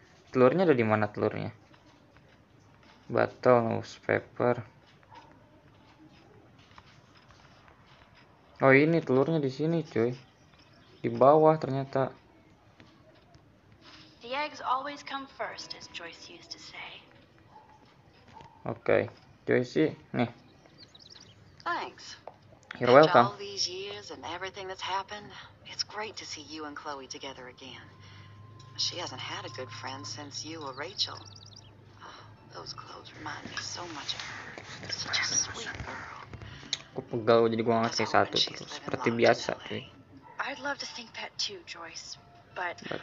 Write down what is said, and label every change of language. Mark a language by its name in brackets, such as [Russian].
[Indonesian] Telurnya ada di mana telurnya? [English] Battle newspaper. [Indonesian] Oh, ini telurnya di sini, cuy. Di bawah ternyata. [English] The eggs always come first, as Joyce used to say. Okay, Joyce, nih. Thanks. You're welcome. After all these years and everything that's happened, it's great to see you and Chloe together again. She hasn't had a good friend since you or Rachel. Oh, those clothes remind me so much of her. Such a sweet girl. [Indonesian] Aku pegal, jadi gua ngasih satu terus seperti biasa, cuy. [English] I'd love to think that too, Joyce, but...